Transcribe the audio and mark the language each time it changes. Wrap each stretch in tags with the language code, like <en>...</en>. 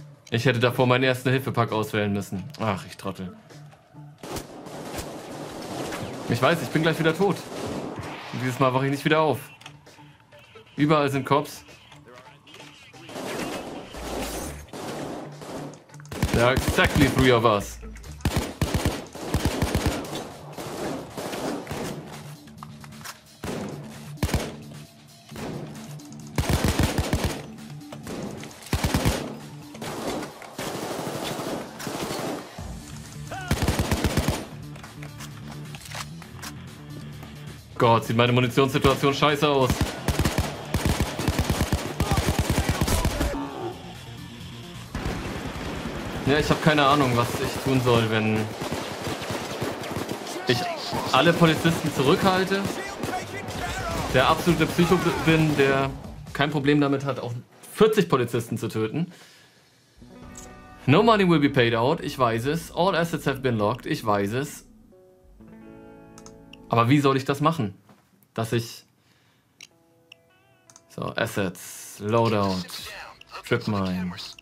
<de>Ich hätte davor meinen ersten Hilfepack auswählen müssen. Ach, ich Trottel. Ich weiß, ich bin gleich wieder tot. Und dieses Mal wache ich nicht wieder auf. Überall sind Cops.</de> <en>They're exactly three of us.</en> <de>Gott, sieht meine Munitionssituation scheiße aus. Ja, ich habe keine Ahnung, was ich tun soll, wenn ich alle Polizisten zurückhalte, der absolute Psycho bin, der kein Problem damit hat, auch 40 Polizisten zu töten.</de> <en>No money will be paid out,</en> <de>ich weiß es.</de> <en>All assets have been locked, ich weiß es.</en> <de>Aber wie soll ich das machen? Dass ich... So, Assets, Loadout, Tripmine.</de>